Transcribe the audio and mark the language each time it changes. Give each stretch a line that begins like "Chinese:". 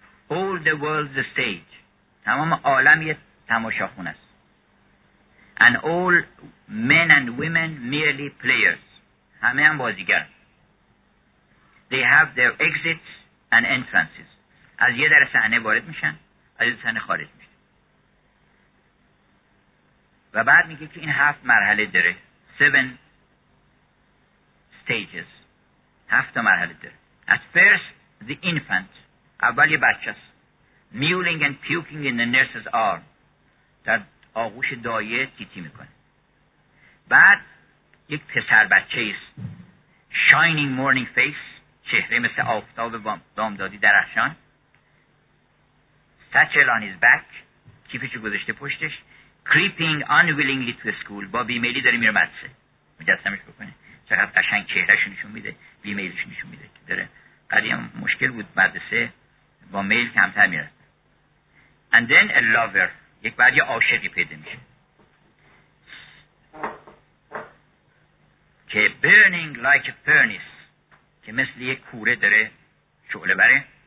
English: All the world's a stage،
Persian: تمام عالم یه تماشاخون است.
English: And all men and women merely players،
Persian: همه هم بازیگر.
English: They have their exits and entrances،
Persian: از یه در صحنه وارد میشن، از یه صحنه خارج میشن. و بعد میگه که این 7 مرحله داره، 7 stages، 7 مرحله داره.
English: At first the infant،
Persian: اول یه بچه است.
English: Mewling and puking in the nurse's arm،
Persian: در آغوش دایه تیتی میکنه. بعد یک پسر بچه است.
English: Shining morning face،
Persian: چهره مثل آفتاب دامدادی درخشان.
English: Satchel on his back،
Persian: کیفشو گذاشته پشتش.
English: Creeping unwillingly to school،
Persian: با بیمیلی داره میره مدرسه. مجسمش بکنه چقدر قشنگ چهرهشو نشون میده، بیمیلش نشون میده که داره. قدیم مشکل بود مدرسه با میل کمتر میره.
English: And then a lover،
Persian: یک بعد یه عاشقی پیدا میشه که
English: burning like a furnace،
Persian: که مثل یک کوره داره شعله بره.